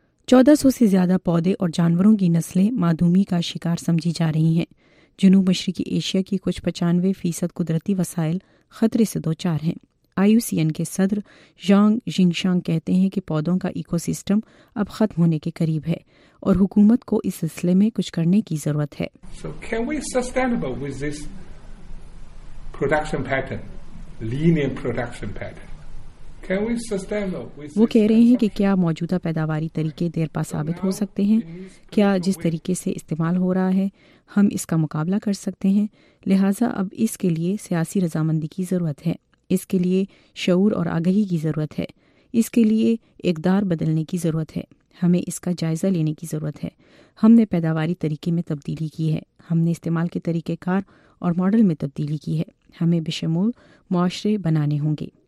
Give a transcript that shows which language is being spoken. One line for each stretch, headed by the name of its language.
Urdu: 1400 سے زیادہ پودے اور جانوروں کی نسلیں معدومی کا شکار سمجھی جا رہی ہیں۔ جنوب مشرقی ایشیا کی کچھ 95% قدرتی وسائل خطرے سے دوچار ہیں۔ IUCN کے صدر ژانگ ژنگشانگ کہتے ہیں کہ پودوں کا ایکو سسٹم اب ختم ہونے کے قریب ہے اور حکومت کو اس سلسلے میں کچھ کرنے کی ضرورت ہے۔
English: So can we sustainable with this production pattern, linear production pattern?
Urdu: وہ کہہ رہے ہیں کہ کیا موجودہ پیداواری طریقے دیر پا ثابت ہو سکتے ہیں، کیا جس طریقے سے استعمال ہو رہا ہے ہم اس کا مقابلہ کر سکتے ہیں، لہٰذا اب اس کے لیے سیاسی رضامندی کی ضرورت ہے، اس کے لیے شعور اور آگہی کی ضرورت ہے، اس کے لیے اقدار بدلنے کی ضرورت ہے، ہمیں اس کا جائزہ لینے کی ضرورت ہے۔ ہم نے پیداواری طریقے میں تبدیلی کی ہے، ہم نے استعمال کے طریقے کار اور ماڈل میں تبدیلی کی ہے، ہمیں بشمول معاشرے بنانے ہوں گے۔